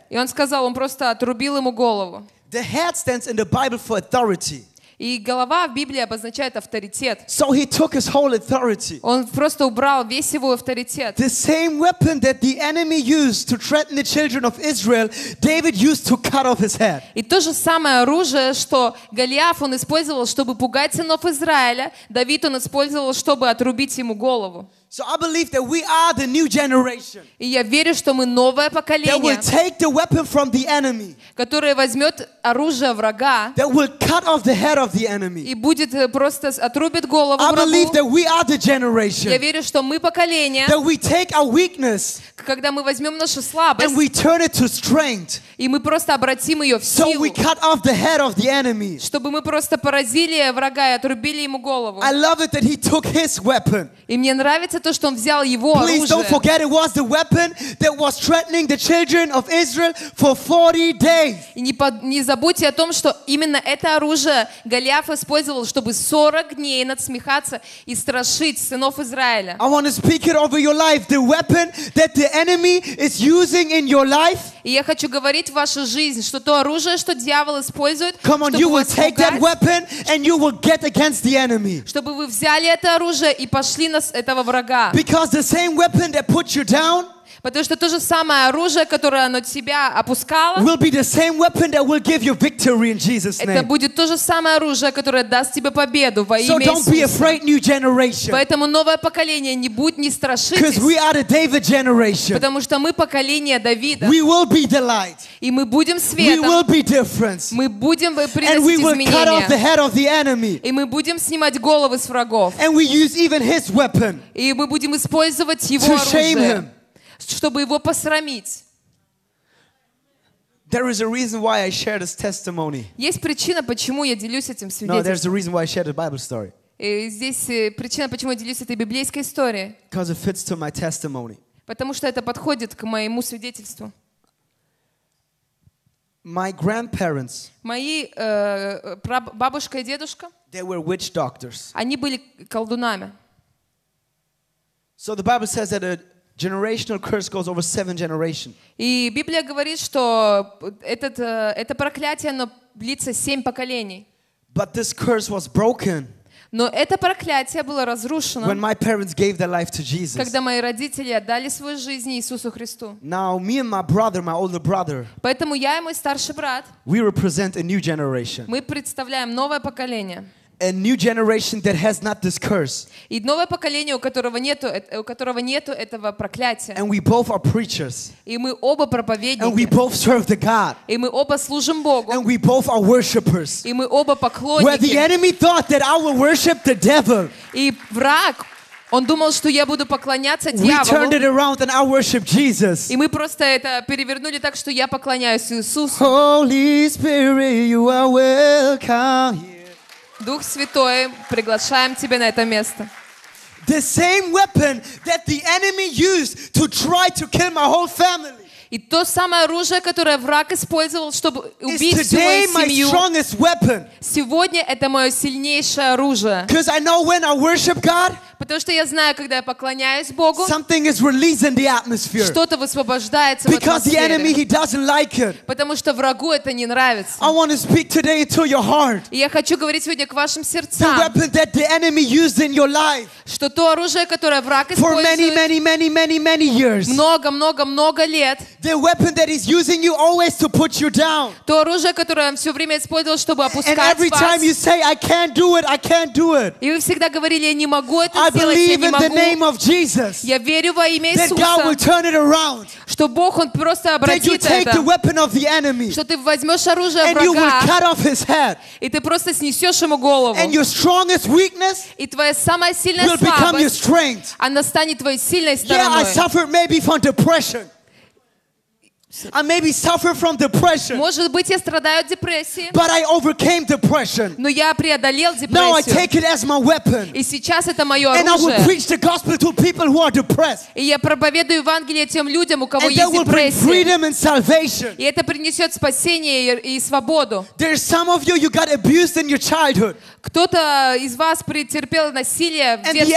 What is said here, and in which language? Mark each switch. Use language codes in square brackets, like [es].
[ru] И он сказал, он просто отрубил ему голову. [en] The head stands in the Bible for authority. [ru] И голова в Библии обозначает авторитет. [en] So he took his whole authority. [ru] Он просто убрал весь его авторитет. [en] The same weapon that the enemy used to threaten the children of Israel, David used to cut off his head. [ru] И то же самое оружие, что Голиаф он использовал, чтобы пугать сынов Израиля, Давид он использовал, чтобы отрубить ему голову. [en] So I believe that we are the new generation. [ru] И я верю, что мы новое поколение. [en] That will take the weapon from the enemy. [ru] Которое возьмет оружие врага. [en] That will cut off the head of the enemy. [ru] И будет просто отрубит голову врагу. [en] I believe that we are the generation. [ru] Я верю, что мы поколение. [en] That we take our weakness. [ru] Когда мы возьмем нашу слабость. [en] And we turn it to strength. [ru] И мы просто обратим ее в силу. [en] So we cut off the head of the enemy. [ru] Чтобы мы просто поразили врага и отрубили ему голову. [en] I love it that he took his weapon. [ru] И мне нравится то, что он взял его оружие. [en] Please don't forget it was the weapon that was threatening the children of Israel for 40 days. [ru] И не забудьте о том, что именно это оружие Голиаф использовал, чтобы 40 дней надсмехаться и страшить сынов Израиля. [en] I want to speak it over your life, the weapon that the enemy is using in your life. [ru] И я хочу говорить в вашу жизнь, что то оружие, что дьявол использует, чтобы вас пугать. [en] Come on, you will take that weapon and you will get against the enemy. [ru] Чтобы вы взяли это оружие и пошли на этого врага. [en] Because the same weapon that put you down. [ru] Потому что то же самое оружие, которое оно тебя опускало, [en] will be the same weapon that will give you victory in Jesus' name. [ru] Это будет то же самое оружие, которое даст тебе победу во имя Иисуса. [en] So don't be afraid, new generation. [ru] Поэтому новое поколение, не страшитесь. [en] Because we are the David generation. [ru] Потому что мы поколение Давида. [en] We will be the light. [ru] И мы будем светом. [en] We will be difference. [ru] Мы будем приносить изменения. [en] And we will cut off the head of the enemy. [ru] И мы будем снимать головы с врагов. [en] And we use even his weapon. [ru] И мы будем использовать его оружие. [en] To shame him. [ru] чтобы его посрамить. [en] There is a reason why I share this testimony. [ru] Есть причина, почему я делюсь этим свидетельством. [en] No, there's a reason why I share the Bible story. [ru] И здесь причина, почему я делюсь этой библейской историей. [en] Because it fits to my testimony. [ru] Потому что это подходит к моему свидетельству. [en] My grandparents. [ru] Мои бабушка и дедушка. [en] They were witch doctors. [ru] Они были колдунами. [en] So the Bible says that a generational curse goes over seven generations. [ru] И Библия говорит, что это проклятие, оно длится семь поколений. [en] But this curse was broken. [ru] Но это проклятие было разрушено. [en] When my parents gave their life to Jesus. [ru] Когда мои родители отдали свою жизнь Иисусу Христу. [en] Now me and my brother, my older brother. [ru] Поэтому я и мой старший брат. [en] We represent a new generation. [ru] Мы представляем новое поколение. [en] A new generation that has not this curse. [ru] И новое поколение, у которого нету этого проклятия. [en] And we both are preachers. [ru] И мы оба проповедники. [en] And we both serve the God. [ru] И мы оба служим Богу. [en] And we both are worshipers. [ru] И мы оба поклонники. [en] Where the enemy thought that I will worship the devil. [ru] И враг, он думал, что я буду поклоняться дьяволу. [en] We turned it around and I worship Jesus. [ru] И мы просто это перевернули так, что я поклоняюсь Иисусу. [en] Holy Spirit, you are welcome here. [ru] Дух Святой, приглашаем тебя на это место. [en] The same weapon that the enemy used to try to kill my whole family. [ru] И то самое оружие, которое враг использовал, чтобы убить всю мою семью. [en] Is today my strongest weapon. [ru] Сегодня это мое сильнейшее оружие. [en] Because I know when I worship God. [ru] Потому что я знаю, когда я поклоняюсь Богу. [en] Something is released in the atmosphere. [ru] Что-то высвобождается в атмосфере. [en] Because the enemy he doesn't like it. [ru] Потому что врагу это не нравится. [en] I want to speak today to your heart. [ru] И я хочу говорить сегодня к вашим сердцам. [en] The weapon that the enemy used in your life. [ru] Что то оружие, которое враг использует. [en] For many, many, many, many, many years. [ru] Много, много, много лет. [en] The weapon that he's using you always to put you down. [ru] То оружие, которое он все время использовал, чтобы опускать вас. [en] And every time you say, I can't do it, I can't do it. [ru] И вы всегда говорили, я не могу это сделать. [en] I believe in the name of Jesus. [ru] Я верю во имя Иисуса. [en] That God will turn it around. [ru] Что Бог он просто обратит это. [en] That you take the weapon of the enemy. [ru] Что ты возьмешь оружие врага. [en] And you will cut off his head. [ru] И ты просто снесешь ему голову. [en] And your strongest weakness. [ru] И твоя самая сильная слабость. [en] Will become your strength. [ru] Она станет твоей сильной стороной. [en] Yeah, I suffered maybe from depression. I maybe suffer from depression. [ru] Может быть, я страдаю от депрессии. [en] But I overcame depression. [ru] Но я преодолел депрессию. [en] Now I take it as my weapon. [ru] И сейчас это мое оружие. [en] And I will preach the gospel to people who are depressed. [ru] И я проповедую Евангелие тем людям, у кого есть депрессия. [en] And that will bring freedom and salvation. [ru] И это принесет спасение и свободу. [en] There are some of you you got abused in your childhood. [ru] Кто-то из вас претерпел насилие в детстве.